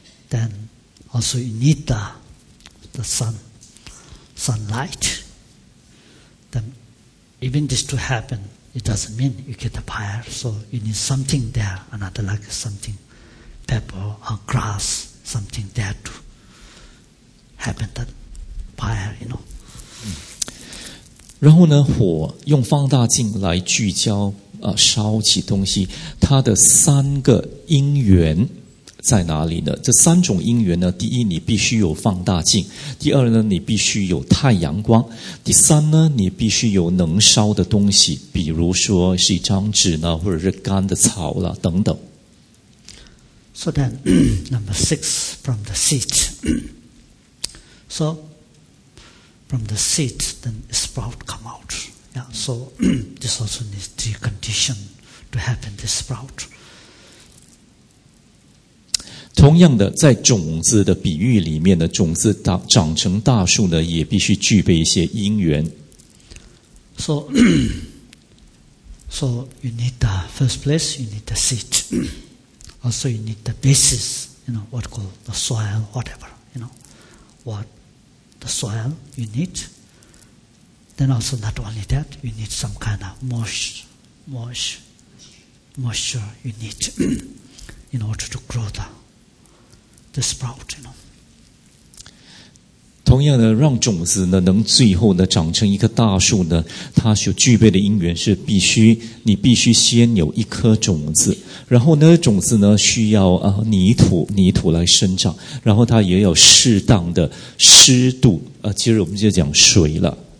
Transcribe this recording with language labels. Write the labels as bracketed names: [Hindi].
[English] Then also you need the sunlight. Then even this to happen. It doesn't mean you get a fire, so you need something there, another like something, pepper or grass, something there to happen that fire, you know. [Chinese] 然后呢，火用放大镜来聚焦，烧起东西，它的三个因缘在哪里呢？这三种因缘呢，第一，你必须有放大镜；第二呢，你必须有太阳光；第三呢，你必须有能烧的东西，比如说是一张纸呢，或者是干的草了等等。 [English] So then, number six from the seed. So from the seed, then sprout come out. Yeah. So this also needs the condition to happen the sprout. [Chinese] 同样的，在种子的比喻里面呢，种子长成大树呢，也必须具备一些因缘。 [English] So you need the first place, you need the seed, also you need the basis, you know what called the soil, whatever, you know what the soil you need. Then also not only that, you need some kind of moisture you need in order to grow the sprout, you know. [Chinese] 同样的，让种子呢能最后呢长成一棵大树呢，它所具备的因缘是必须先有一颗种子，然后呢种子呢需要泥土来生长，然后它也有适当的湿度啊，其实我们就讲水了。